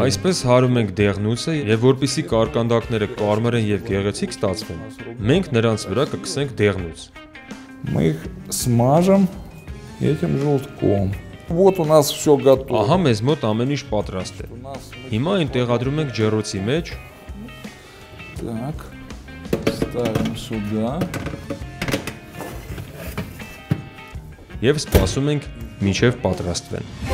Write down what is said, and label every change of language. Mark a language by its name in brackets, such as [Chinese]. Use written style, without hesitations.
[Armenian] Այսպես հարում ենք դեղնուցը եւ որպիսի կարկանդակները կարմրեն եւ գեղեցիկ ստացվեն։ Մենք նրանց վրա կքսենք դեղնուց։ [Russian] Мы их смажем этим желтком. Вот у нас всё готово. [Armenian] Ահա մեզ մոտ ամեն ինչ պատրաստ է։ Հիմա այն տեղադրում ենք ջեռոցի մեջ։ [Russian] Так. Ставим сюда. [Armenian] Եվ սպասում ենք, մինչև պատրաստվեն։